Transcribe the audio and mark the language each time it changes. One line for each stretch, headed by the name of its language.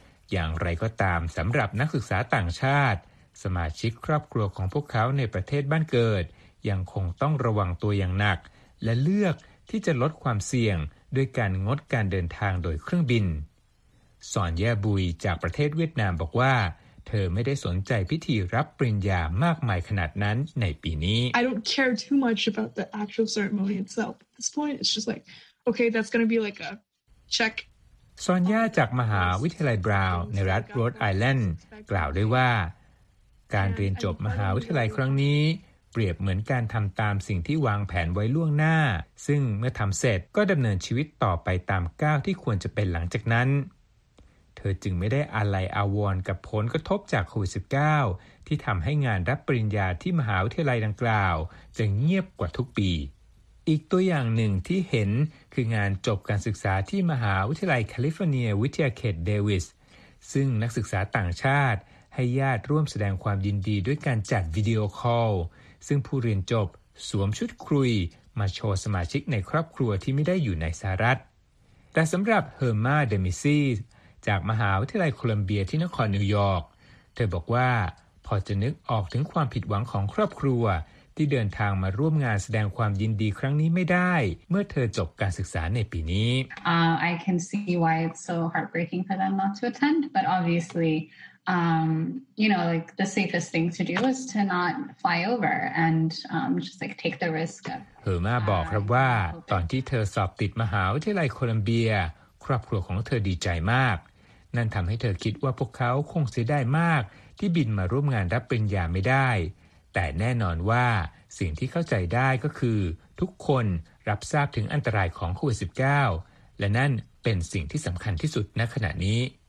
Thai: อย่างไรก็ตามสำหรับนักศึกษาต่างชาติสมาชิกครอบครัวของพวกเขาในประเทศบ้านเกิดยังคงต้องระวังตัวอย่างหนักและเลือกที่จะลดความเสี่ยงด้วยการงดการเดินทางโดยเครื่องบินสอนแย่บุยจากประเทศเวียดนามบอกว่าเธอไม่ได้สนใจพิธีรับปริญญามากมายขนาดนั้นในปีนี้
English: I don't care too much about the actual ceremony itself. At this point, it's just like, okay, that's going to be like a check.
Thai: สอนแย่จากมหาวิทยาลัยบราวน์ในรัฐโรดไอแลนด์กล่าวด้วยว่าการเรียนจบมหาวิทยาลัยครั้งนี้เปรียบเหมือนการทำตามสิ่งที่วางแผนไว้ล่วงหน้าซึ่งเมื่อทำเสร็จก็ดำเนินชีวิตต่อไปตามก้าวที่ควรจะเป็นหลังจากนั้น เธอจึงไม่ได้อาลัยอาวรณ์กับผลกระทบจากโควิด-19 ที่ทำให้งานรับปริญญาที่มหาวิทยาลัยดังกล่าวจะเงียบกว่าทุกปีอีกตัวอย่างหนึ่งที่เห็นคืองานจบการศึกษาที่มหาวิทยาลัยแคลิฟอร์เนียวิทยาเขตเดวิสซึ่งนักศึกษาต่างชาติให้ญาติร่วมแสดงความยินดีด้วยการจัดวิดีโอคอลซึ่งผู้เรียนจบสวมชุดครุยมาโชว์สมาชิกในครอบครัวที่ไม่ได้อยู่ในสหรัฐ แต่สำหรับเฮอร์มาเดมิซีจากมหาวิทยาลัยโคลัมเบียที่นครนิวยอร์กเธอบอกว่าพอจะนึกออกถึงความผิดหวังของครอบครัวที่เดินทางมาร่วมงานแสดงความยินดีครั้งนี้ไม่ได้เมื่อเธอจบการศึกษาในปีนี้
English: I can see why it's so heartbreaking for them not to attend but obviously you know, like the safest thing to do is to not fly over and just like take the risk.
Thai: เธอมาบอกครับว่าตอนที่เธอสอบติดมหาวิทยาลัยโคลัมเบียครอบครัวของเธอดีใจมากนั่นทำให้เธอคิดว่าพวกเขาคงเสียดายมากที่บินมาร่วมงานรับปริญญาไม่ได้แต่แน่นอนว่าสิ่งที่เข้าใจได้ก็คือทุกคนรับทราบถึงอันตรายของโควิด-19 และนั่นเป็นสิ่งที่สำคัญที่สุดณขณะนี้